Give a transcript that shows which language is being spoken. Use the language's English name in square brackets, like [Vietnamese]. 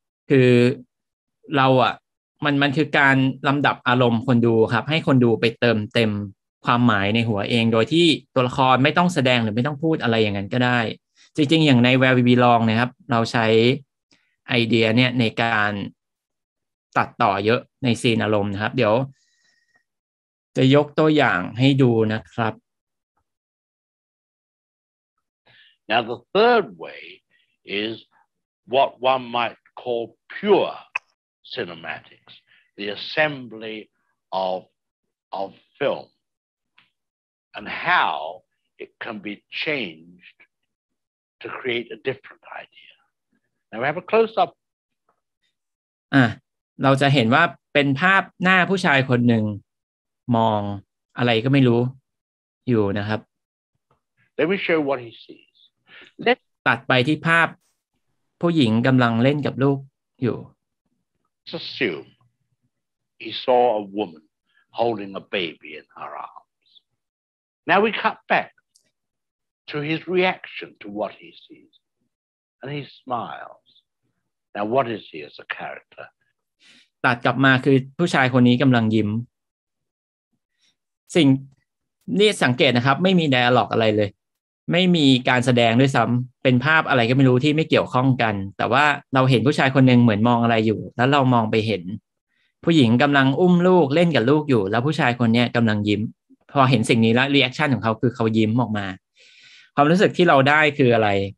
[Thai] คือเราอ่ะมันคือการลำดับอารมณ์คนดูครับให้คนดูไปเติมเต็มความหมายในหัวเองโดยที่ตัวละครไม่ต้องแสดงหรือไม่ต้องพูดอะไรอย่างนั้นก็ได้จริงๆอย่างในแวร์วีบีลองนะครับเราใช้ไอเดียเนี่ยในการตัดต่อเยอะในซีนอารมณ์นะครับเดี๋ยวจะยกตัวอย่างให้ดูนะครับ [English] Now the third way is what one might call pure cinematics, the assembly of film, and how it can be changed to create a different idea. Now we have a close-up. [Thai] เราจะเห็นว่าเป็นภาพหน้าผู้ชายคนหนึ่งมองอะไรก็ไม่รู้อยู่นะครับ [English] Let me show what he sees. [Thai] ตัดไปที่ภาพผู้หญิงกำลังเล่นกับลูกอยู่ [English] Let's assume he saw a woman holding a baby in her arms. Now we cut back to his reaction to what he sees, and he smiles. Now what is he as a character? [Thai] ตัดกลับมาคือผู้ชายคนนี้กำลังยิ้มสิ่งนี่สังเกตนะครับไม่มีไดอะล็อกอะไรเลยไม่มีการแสดงด้วยซ้ำเป็นภาพอะไรก็ไม่รู้ที่ไม่เกี่ยวข้องกันแต่ว่าเราเห็นผู้ชายคนหนึ่งเหมือนมองอะไรอยู่แล้วเรามองไปเห็นผู้หญิงกำลังอุ้มลูกเล่นกับลูกอยู่แล้วผู้ชายคนนี้กำลังยิ้มพอเห็นสิ่งนี้แล้วรีแอคชั่นของเขาคือเขายิ้มออกมาความรู้สึกที่เราได้คืออะไร